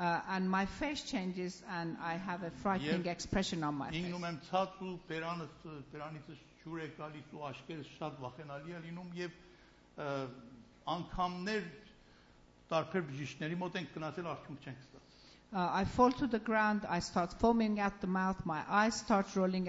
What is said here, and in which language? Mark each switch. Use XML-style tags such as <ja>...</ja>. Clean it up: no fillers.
<en>And my face changes and I have a frightening expression on my face.</en> <hy>Ջուր է գալիս ու աչքերս շատ վախենալի է լինում եւ անգամներ տարբեր բժիշկների մոտ ենք գնացել արդյունք չենք ստացել</hy> <en>I fall to the ground, I start foaming at the mouth, my eyes start rolling.</en>